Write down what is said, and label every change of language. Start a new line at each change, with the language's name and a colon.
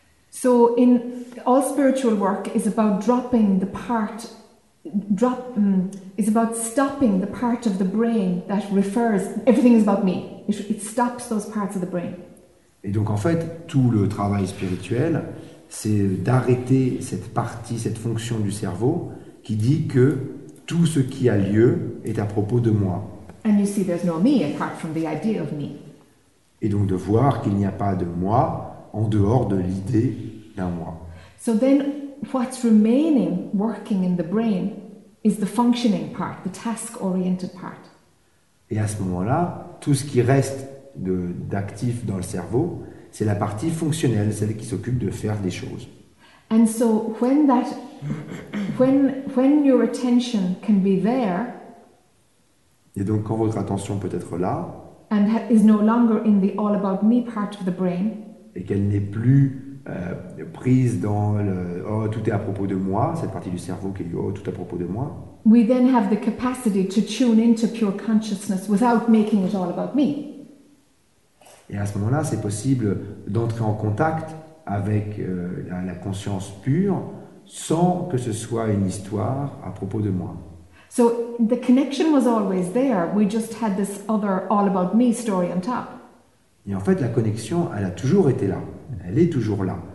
English: So in all spiritual work is about dropping the part is about stopping the part of the brain that refers everything is about me. It stops those parts of the brain.
French: Et donc en fait, tout le travail spirituel, c'est d'arrêter cette partie, cette fonction du cerveau qui dit que tout ce qui a lieu est à propos de moi.
English: And you see, there's no me apart from the idea of me.
French: Et donc de voir qu'il n'y a pas de moi en dehors de l'idée d'un moi.
English: So then, what's remaining working in the brain is the functioning part, the task-oriented part.
French: Et à ce moment-là, tout ce qui reste d'actif dans le cerveau, c'est la partie fonctionnelle, celle qui s'occupe de faire des choses.
English: And so when your attention can be there,
French: Et donc quand votre attention peut être là,
English: and is no longer in the all about me part of the brain,
French: et qu'elle n'est plus prise dans le oh tout est à propos de moi, cette partie du cerveau qui est oh tout à propos de moi,
English: we then have the capacity to tune into pure consciousness without making it all about me.
French: Et à ce moment-là, c'est possible d'entrer en contact avec la conscience pure sans que ce soit une histoire à propos de moi.
English: So the connection was always there. We just had this other all about me story on top.
French: Et en fait, la connexion, elle a toujours été là. Elle est toujours là.